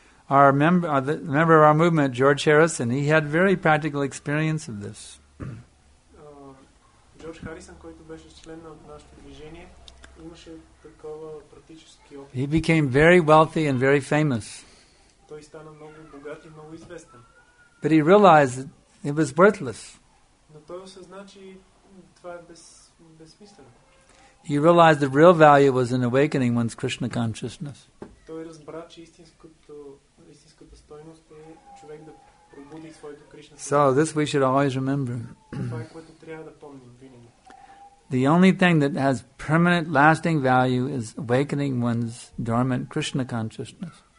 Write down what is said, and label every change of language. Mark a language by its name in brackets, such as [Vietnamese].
[English] Our member, the member of our movement, George Harrison, he had very practical experience of this. [Bulgarian] Джордж Харисън, който беше член на нашето движение, имаше такова практически опит. [English] He became very wealthy and very famous. [Bulgarian] Той стана много богат и много известен. [English] But he realized it was worthless. [Bulgarian] Но той осъзна, че това е безсмислено. [English] He realized the real value was in awakening one's Krishna consciousness. [Bulgarian] Той разбра, че истинската стойност е човек да пробуди своето Кришна съзнание. [English] So this we should always remember. [Bulgarian] Това е, което трябва да помним винаги. [English] The only thing that has permanent lasting value is awakening one's dormant Krishna consciousness.